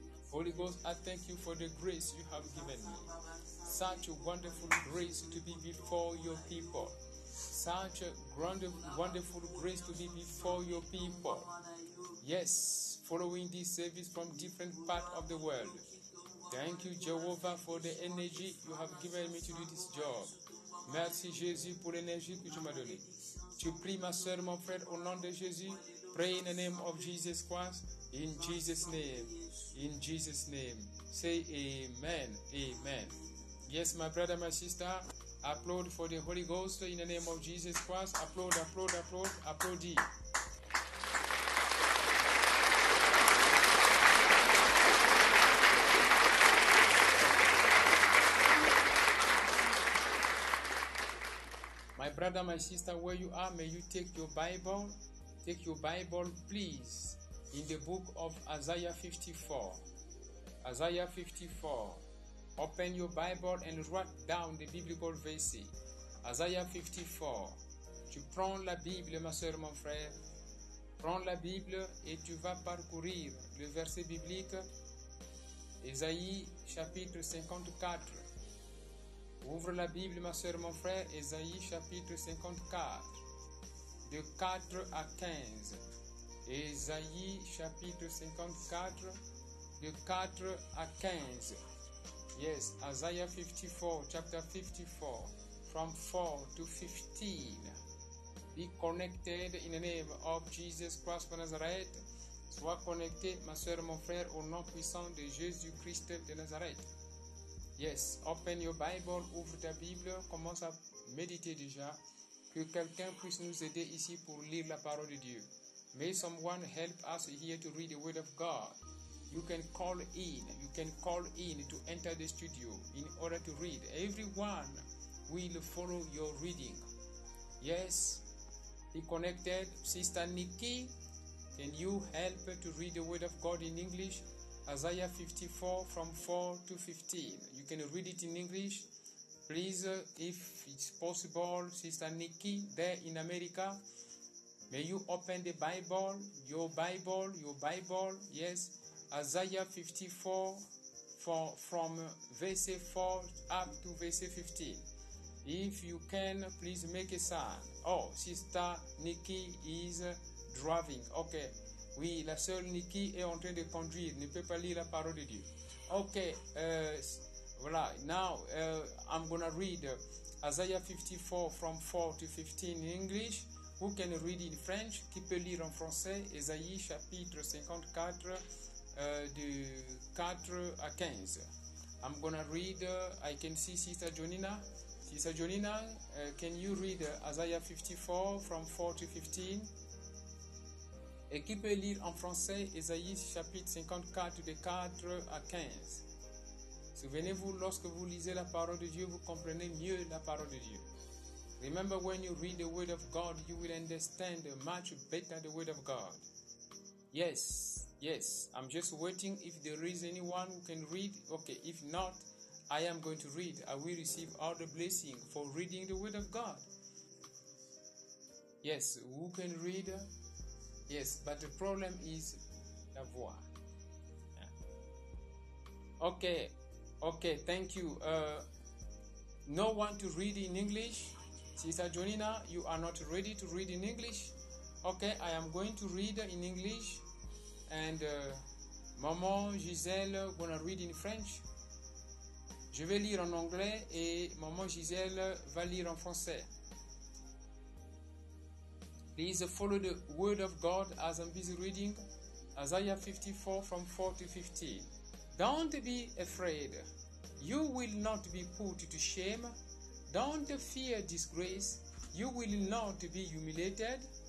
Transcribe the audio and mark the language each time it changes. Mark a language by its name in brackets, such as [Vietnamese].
[English] Holy Ghost, I thank you for the grace you have given me. Such a wonderful grace to be before your people. Such a wonderful grace to be before your people. Yes, following this service from different parts of the world. Thank you, Jehovah, for the energy you have given me to do this job. [French] Merci, Jésus, pour l'énergie que tu m'as donnée. Tu pries, ma soeur, mon frère, au nom de Jésus. [English] Pray in the name of Jesus Christ. In Jesus' name. In Jesus' name. Say amen. Amen. Yes, my brother, my sister, applaud for the Holy Ghost in the name of Jesus Christ. Applaud, applaud, applaud, applaud thee. My brother, my sister, where you are, may you take your Bible. Take your Bible, please, in the book of Isaiah 54. Isaiah 54. Open your Bible and write down the biblical verse. Isaiah 54. [French] Tu prends la Bible, ma soeur, mon frère. Prends la Bible et tu vas parcourir le verset biblique. Isaïe chapitre 54. Ouvre la Bible, ma soeur, mon frère. Isaïe chapitre 54. De 4 à 15. Isaïe chapitre 54. De 4 à 15. [English] Yes, Isaiah 54, chapter 54, from 4 to 15. Be connected in the name of Jesus Christ of Nazareth. [French] Sois connecté, ma soeur, mon frère, au nom puissant de Jésus Christ de Nazareth. [English] Yes, open your Bible, [French] ouvre ta Bible, commence à méditer déjà. Que quelqu'un puisse nous aider ici pour lire la parole de Dieu. [English] May someone help us here to read the word of God. You can call in. You can call in to enter the studio in order to read. Everyone will follow your reading. Yes, be connected. Sister Nikki, can you help to read the word of God in English? Isaiah 54 from 4 to 15. You can read it in English. Please, if it's possible, Sister Nikki, there in America, may you open the Bible, your Bible. Yes. Isaiah 54 from verse 4 up to verse 15. If you can, please make a sign. Oh, Sister Nikki is driving. Okay. [French] Oui, la sœur Nikki est en train de conduire, ne peut pas lire la parole de Dieu. Okay. Voilà. [English] Now, I'm going to read Isaiah 54 from 4 to 15 in English. Who can read in French? [French] Qui peut lire en français? Isaïe chapitre 54. De 4 à 15. [English] I'm gonna read. I can see Sister Jonina. Sister Jonina, can you read Isaiah 54 from 4 to 15? [French] Et qui peut lire en français Isaïe chapitre 54 de 4 à 15? Souvenez-vous, lorsque vous lisez la parole de Dieu, vous comprenez mieux la parole de Dieu. [English] Remember, when you read the word of God, you will understand much better the word of God. Yes. Yes, I'm just waiting if there is anyone who can read. Okay, if not, I am going to read. I will receive all the blessing for reading the word of God. Yes, who can read? Yes, but the problem is [French] la voix. [English] Okay, thank you. No one to read in English? Sister Jonina, you are not ready to read in English? Okay, I am going to read in English. And maman Gisèle gonna read in French. [French] Je vais lire en anglais et maman Gisèle va lire en français. [English] Please follow the word of God as I'm busy reading Isaiah 54 from 4 to 15. Don't be afraid. You will not be put to shame. Don't fear disgrace. You will not be humiliated.